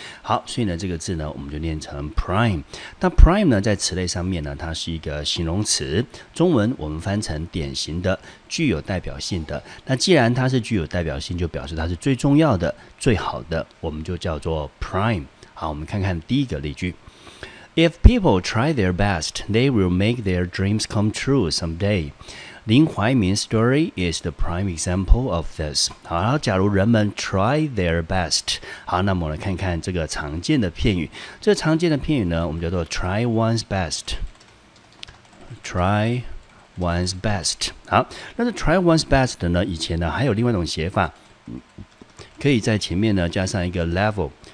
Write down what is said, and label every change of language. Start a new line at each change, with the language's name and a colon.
Chinese: 好，所以呢这个字呢我们就念成 prime。那 prime 呢在词类上面呢它是一个形容词，中文我们翻成典型的，具有代表性的。那既然它是具有代表性，就表示它是最重要的最好的，我们就叫做 prime。好，我们看看第一个例句。
English: If people try their best, they will make their dreams come true someday. 林怀民's story is the prime example of this.
Chinese: 好，然后假如人们
English: try their best.
Chinese: 好，那么我们看看这个常见的片语。这常见的片语呢，我们叫做
English: try one's best. Try one's best.
Chinese: 好，那这
English: try one's best
Chinese: 呢，以前呢还有另外一种写法，可以在前面呢加上一个 level.